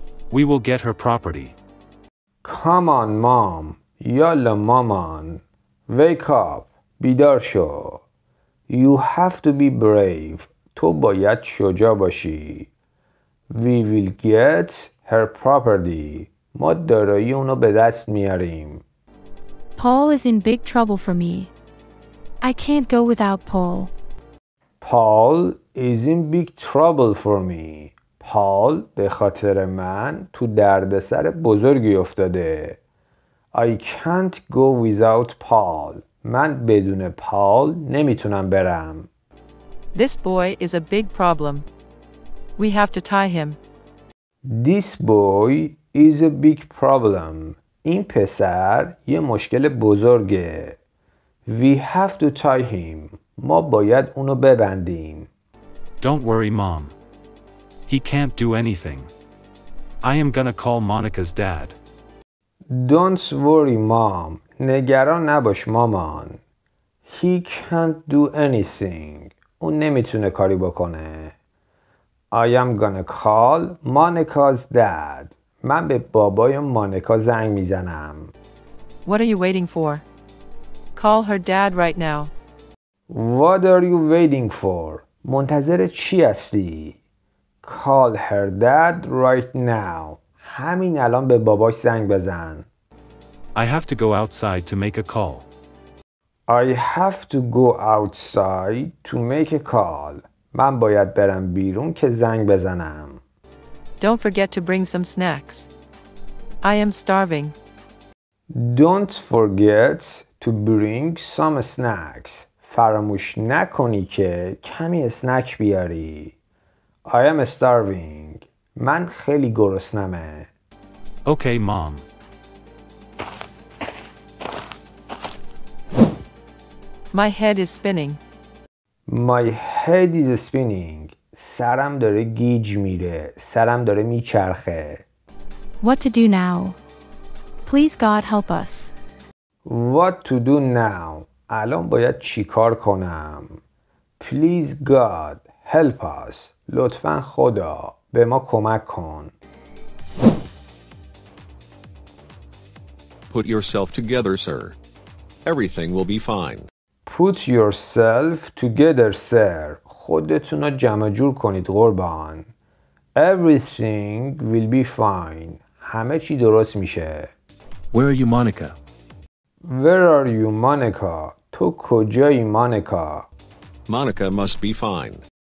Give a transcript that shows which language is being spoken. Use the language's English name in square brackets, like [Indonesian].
[English] We will get her property. Come on, mom. [Persian] یالا مامان. [English] Wake up. [Persian] بیدار شو. [English] You have to be brave. [Persian] تو باید شجاع باشی. [English] We will get her property. [Persian] ما دارایی اونو به دست میاریم. [English] Paul is in big trouble for me. I can't go without Paul. Paul is in big trouble for me. [Persian] Paul به خاطر من تو دردسر بزرگی افتاده. [English] I can't go without Paul. [Persian] من بدون پال نمیتونم برم. [English] This boy is a big problem. We have to tie him. This boy is a big problem. [Persian] این پسر یه مشکل بزرگه. [English] We have to tie him. [Persian] ما باید اونو ببندیم. [English] Don't worry, mom. He can't do anything. I am gonna call Monica's dad. Don't worry, mom. [Persian] نگران نباش مامان. [English] He can't do anything. [Persian] اون نمیتونه کاری بکنه. [English] I am gonna call Monica's dad. [Persian] من به بابای مانیکا زنگ میزنم. [English] What are you waiting for? Call her dad right now. What are you waiting for? [Persian] منتظر چی هستی؟ [English] Call her dad right now. [Persian] همین الان به باباش زنگ بزن. [English] I have to go outside to make a call. I have to go outside to make a call. [Persian] من باید برم بیرون که زنگ بزنم. [English] Don't forget to bring some snacks. I am starving. Don't forget to bring some snacks. [Persian] فراموش نکنی که کمی اسنک بیاری. [English] I am starving. [Persian] من خیلی گرسنمه. [English] Okay, mom. My head is spinning. My head is spinning. [Persian] سرم داره گیج میره. سرم داره میچرخه. [English] What to do now? Please God help us. What to do now? [Persian] الان باید چیکار کنم؟ [English] Please God help us. [Persian] لطفاً خدا به ما کمک کن. [English] Put yourself together, sir. Everything will be fine. Put yourself together, sir. [Persian] خودتون رو جمع جور کنید قربان. [English] Everything will be fine. [Persian] همه چی درست میشه. [English] Where are you, Monica? Where are you, Monica? [Persian] تو کجایی, Monica? [English] Monica must be fine.